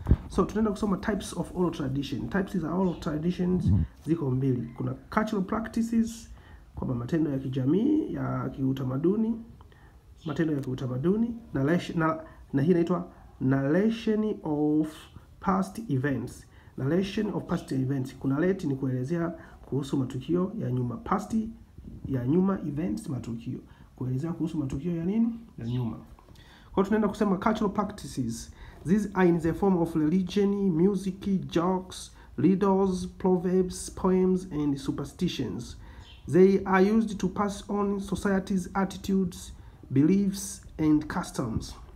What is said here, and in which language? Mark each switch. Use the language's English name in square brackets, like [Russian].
[English] So, [Swahili] tunaenda kusoma [English] types of oral tradition. Types is oral traditions [Swahili] ziko mbili. Kuna cultural practices, kwamba matendo ya kijamii, ya kiutamaduni, matendo ya kiutamaduni, na hii inaitwa [English] narration of past events. Narration of past events. [Swahili] Kuna leti ni kuelezea kuhusu matukio ya nyuma, past ya nyuma, events matukio, kuelezea kuhusu matukio ya nini, ya nyuma. Kwa tunaenda kusema [English] cultural practices, these are in the form of religion, music, jokes, riddles, proverbs, poems and superstitions. They are used to pass on society's attitudes, beliefs and customs.